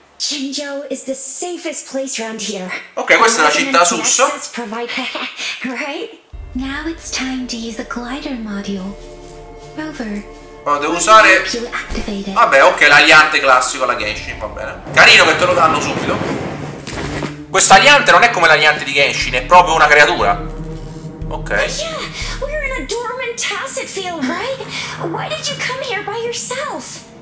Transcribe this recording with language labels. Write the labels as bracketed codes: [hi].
[en] Jinjo is the safest place around here. [it] Ok, questa è la città sus. [en] Right? Now it's time to use the glider module. Rover. [it] Ma devo usare. Vabbè, ok, l'aliante classico alla Genshin, va bene. Carino che te lo danno subito. Questo aliante non è come l'aliante di Genshin, è proprio una creatura. Ok. [en] Yeah, we're in a dormant tacit field, right? Why did you come here by yourself?